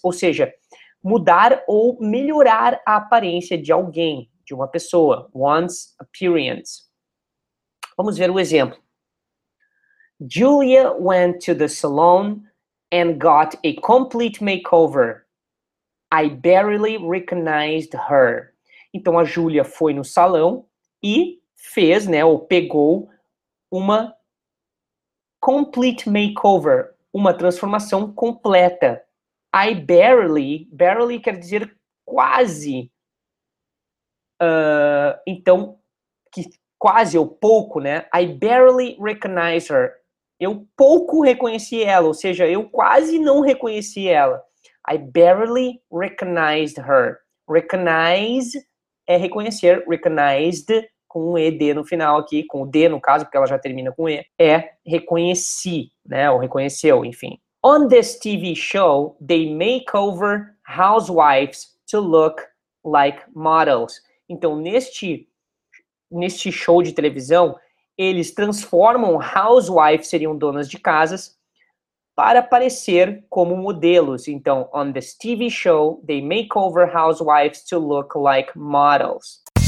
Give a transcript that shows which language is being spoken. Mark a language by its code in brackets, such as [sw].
[pt] Ou seja, mudar ou melhorar a aparência de alguém, de uma pessoa. [en] One's appearance. [pt] Vamos ver o exemplo. [en] Julia went to the salon and got a complete makeover. I barely recognized her. [pt] Então, a Julia foi no salão e fez, né, ou pegou uma [en] complete makeover, [pt] uma transformação completa. [en] I barely [pt] quer dizer quase. Então, que quase ou pouco, né? [en] I barely recognize her. [pt] Eu pouco reconheci ela, ou seja, eu quase não reconheci ela. [en] I barely recognized her. Recognize [pt] é reconhecer. Recognized, com um ED no final aqui, com o D no caso, porque ela já termina com E, é reconheci, né? Ou reconheceu, enfim. [en] On this TV show, they make over housewives to look like models. [pt] Então, neste show de televisão, eles transformam housewives, seriam donas de casas, para parecer como modelos. [en] Então, on this TV show, they make over housewives to look like models.